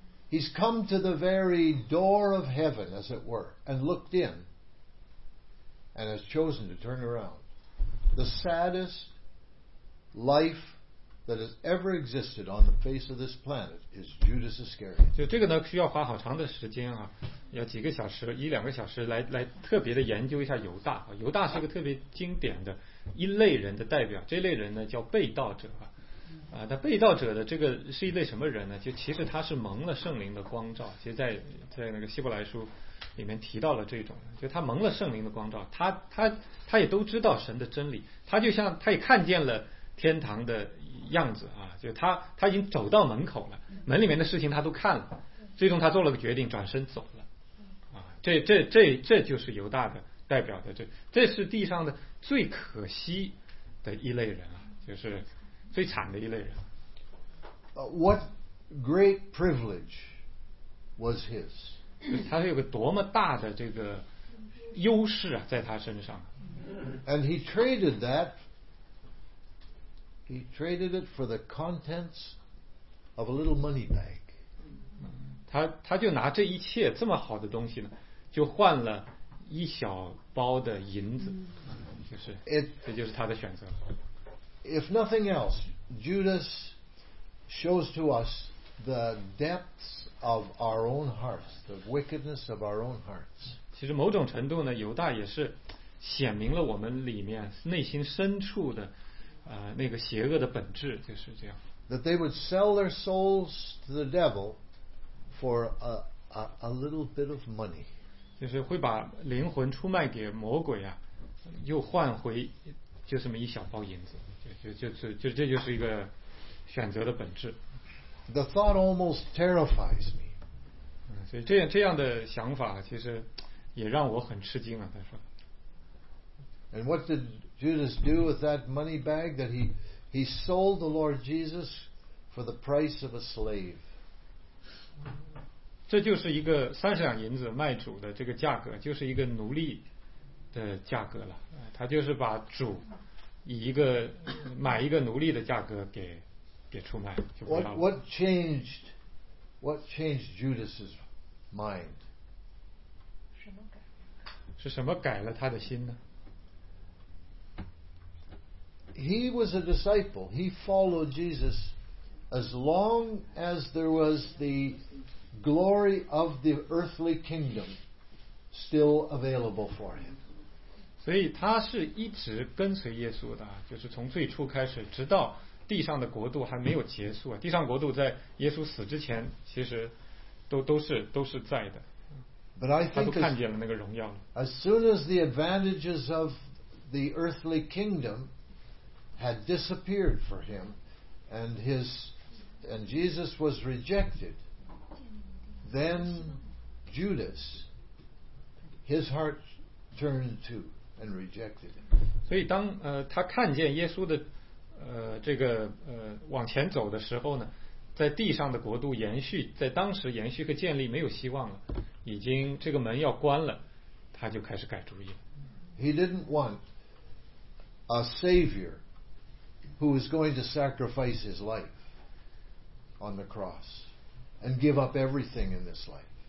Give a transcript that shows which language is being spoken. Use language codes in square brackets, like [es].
[en] He's come to the very door of heaven, as it were, and looked in, and has chosen to turn around. The saddest life that has ever existed on the face of this planet is Judas Iscariot. [zh] 就这个呢，需要花好长的时间啊，要几个小时，一两个小时来特别的研究一下犹大。犹大是一个特别经典的一类人的代表，这类人呢叫被盗者啊。那被盗者的这个是一类什么人呢？就其实他是蒙了圣灵的光照，其实在那个希伯来书里面提到了这种，就他蒙了圣灵的光照，他也都知道神的真理，他就像他也看见了天堂的样子啊，就他已经走到门口了，门里面的事情他都看了，最终他做了个决定，转身走了，啊，这就是犹大的代表的，这是地上的最可惜的一类人啊，就是最惨的一类人。 [en] What great privilege was his? [zh] 他有个多么大的这个优势啊，在他身上。 [en] And he traded it for the contents of a little money bag. [zh] 他就拿这一切这么好的东西呢，就换了一小包的银子，这就是他的选择。 [en] If nothing else, Judas shows to us the depths. Of our own hearts, the wickedness of our own hearts. [zh] 其实某种程度呢，犹大也是显明了我们里面内心深处的那个邪恶的本质，就是这样。 [en] That they would sell their souls to the devil for a little bit of money. [zh] 就是会把灵魂出卖给魔鬼啊，又换回就这么一小包银子，就这就是一个选择的本质。 [en] The thought almost terrifies me. [zh] 所以这样的想法其实也让我很吃惊啊。他说 [en] And what did Judas do with that money bag? That he sold the Lord Jesus for the price of a slave. [zh] 这就是一个三十两银子卖主的这个价格，就是一个奴隶的价格了。他就是把主以一个买一个奴隶的价格给出卖，就不要了。 [en] What changed Judas's mind? [zh] 什么改？是什么改了他的心呢？ [en] He was a disciple. He followed Jesus as long as there was the glory of the earthly kingdom still available for him. [zh] 所以他是一直跟随耶稣的，就是从最初开始，直到地上的国度还没有结束，地上国度在耶稣死之前其实 都是在的。 [en] But I think [zh] 他都看见了那个荣耀。 [en] As soon as the advantages of the earthly kingdom had disappeared for him and Jesus was rejected, then Judas, his heart turned to and rejected him. [zh] 所以当他看见耶稣的这个往前走的时候呢，在地上的国度延续，在当时延续和建立没有希望了，已经这个门要关了，他就开始改主意了。 [en] He didn't want a savior who was going to sacrifice his life on the cross and give up everything in this life.